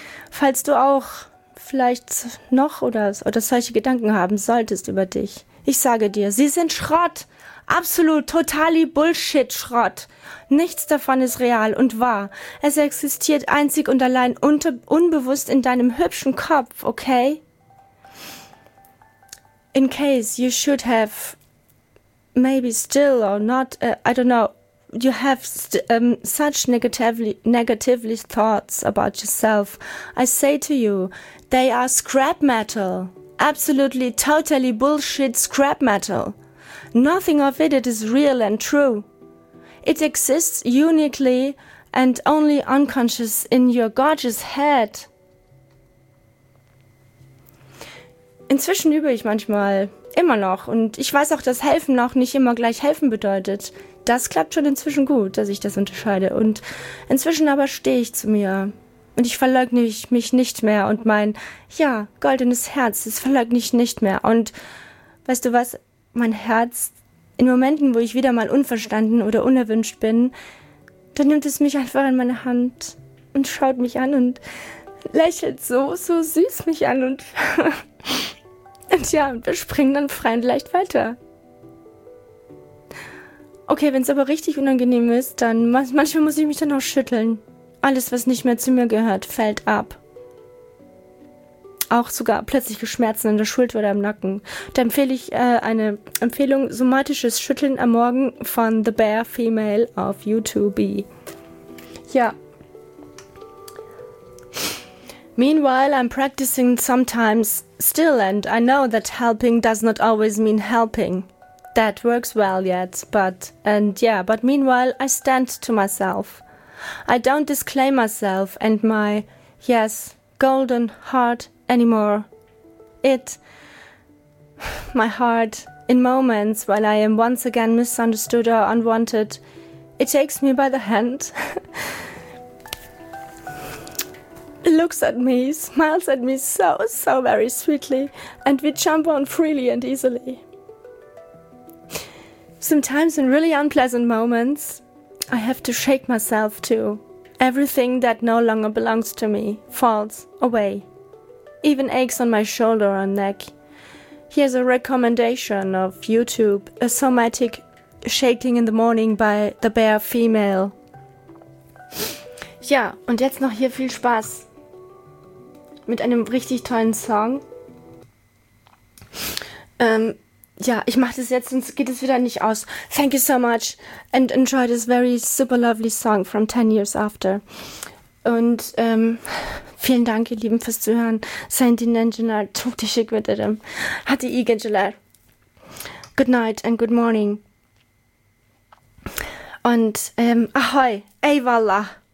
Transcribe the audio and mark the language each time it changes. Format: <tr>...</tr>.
<de>Falls du auch vielleicht noch oder solche Gedanken haben solltest über dich, ich sage dir, sie sind Schrott. Absolut, totali Bullshit-Schrott. Nichts davon ist real und wahr. Es existiert einzig und allein unbewusst in deinem hübschen Kopf, okay?</de> <en>In case you should have, maybe still or not, I don't know, you have such negatively thoughts about yourself, I say to you, they are scrap metal. Absolutely, totally bullshit scrap metal. Nothing of it is real and true. It exists uniquely and only unconscious in your gorgeous head.</en> <de>Inzwischen übe ich manchmal, immer noch. Und ich weiß auch, dass helfen auch nicht immer gleich helfen bedeutet. Das klappt schon inzwischen gut, dass ich das unterscheide. Und inzwischen aber stehe ich zu mir. Und ich verleugne mich nicht mehr. Und mein, ja, goldenes Herz, das verleugne ich nicht mehr. Und weißt du was? Mein Herz, in Momenten, wo ich wieder mal unverstanden oder unerwünscht bin, dann nimmt es mich einfach in meine Hand und schaut mich an und lächelt so, so süß mich an und, und ja, wir springen dann frei und leicht weiter. Okay, wenn es aber richtig unangenehm ist, dann manchmal muss ich mich dann auch schütteln. Alles, was nicht mehr zu mir gehört, fällt ab. Auch sogar plötzliche Schmerzen in der Schulter oder im Nacken. Da empfehle ich eine Empfehlung, somatisches Schütteln am Morgen von The Bear Female auf YouTube. Ja.</de> <en>Meanwhile, I'm practicing sometimes still and I know that helping does not always mean helping. That works well yet, but meanwhile I stand to myself. I don't disclaim myself and my, yes, golden heart anymore. It, my heart, in moments when I am once again misunderstood or unwanted, it takes me by the hand. It looks at me, smiles at me so, so very sweetly, and we jump on freely and easily. Sometimes in really unpleasant moments, I have to shake myself too. Everything that no longer belongs to me falls away. Even aches on my shoulder or neck. Here's a recommendation of YouTube, a somatic shaking in the morning by The Bear Female.</en> <de>Ja, und jetzt noch hier viel Spaß mit einem richtig tollen Song. Ja, ich mache das jetzt, sonst geht es wieder nicht aus.</de> <en>Thank you so much and enjoy this very super lovely song from 10 years after.</en> <de>Und vielen Dank, ihr Lieben, fürs Zuhören. Sandy Nangela, tut die Schick mit dem. Hatte ich, Angela.</de> <en>Good night and good morning.</en> <de>Und ahoi, ey Walla.</de>